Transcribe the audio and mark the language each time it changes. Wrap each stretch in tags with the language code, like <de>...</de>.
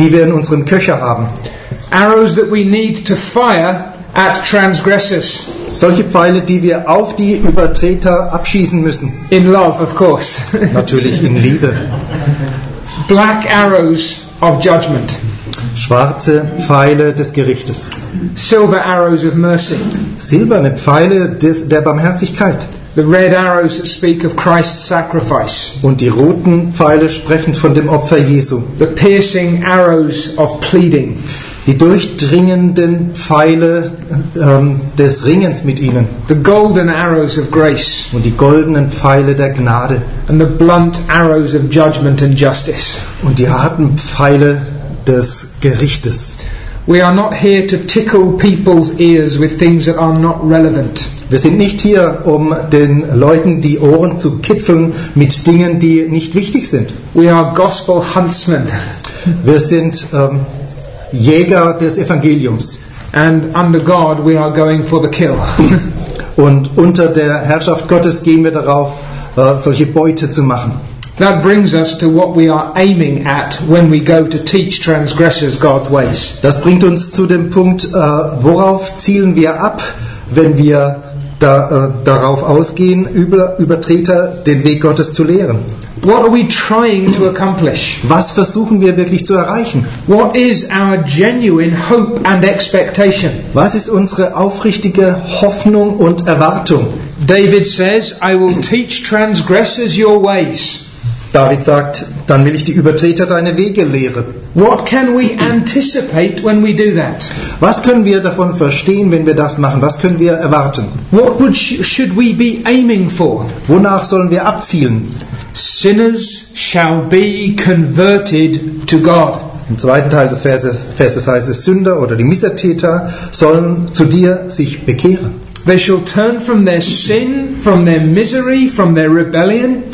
<en>Arrows that we need to fire at transgressors.</en> <de>Solche Pfeile, die wir auf die Übertreter abschießen müssen.</de> <en>In love, of course.</en> <de>Natürlich in Liebe.</de> <en>Black arrows of judgment.</en> <de>Schwarze Pfeile des Gerichtes.</de> <en>Silver arrows of mercy.</en> <de>Silberne Pfeile der Barmherzigkeit.</de> <en>The red arrows speak of Christ's sacrifice.</en> <de>Und die roten Pfeile sprechen von dem Opfer Jesu.</de> <en>The piercing arrows of pleading.</en> <de>Die durchdringenden Pfeile des Ringens mit ihnen.</de> <en>The golden arrows of grace.</en> <de>Und die goldenen Pfeile der Gnade.</de> <en>And the blunt arrows of judgment and justice.</en> <de>Und die harten Pfeile des Gerichtes.</de> <en>We are not here to tickle people's ears with things that are not relevant.</en> <de>Wir sind nicht hier, um den Leuten die Ohren zu kitzeln mit Dingen, die nicht wichtig sind.</de> <en>We are gospel huntsmen.</en> <de>Wir sind Jäger des Evangeliums.</de> <en>And under God we are going for the kill.</en> <de>Und unter der Herrschaft Gottes gehen wir darauf, solche Beute zu machen.</de> <en>That brings us to what we are aiming at when we go to teach transgressors God's ways.</en> <de>Das bringt uns zu dem Punkt, worauf zielen wir ab, wenn wir darauf ausgehen, Übertreter den Weg Gottes zu lehren.</de> <en>What are we trying to accomplish?</en> <de>Was versuchen wir wirklich zu erreichen?</de> <en>What is our genuine hope and expectation?</en> <de>Was ist unsere aufrichtige Hoffnung und Erwartung?</de> <en>David says, I will teach transgressors your ways.</en> <de>David sagt, dann will ich die Übertreter deine Wege lehren.</de> <en>What can we anticipate when we do that?</en> <de>Was können wir davon verstehen, wenn wir das machen? Was können wir erwarten?</de> <en>What should we be aiming for?</en> <de>Wonach sollen wir abzielen?</de> <en>Sinners shall be converted to God.</en> <de>Im zweiten Teil des Verses heißt es, Sünder oder die Missetäter sollen zu dir sich bekehren.</de> <en>They shall turn from their sin, from their misery, from their rebellion.</en>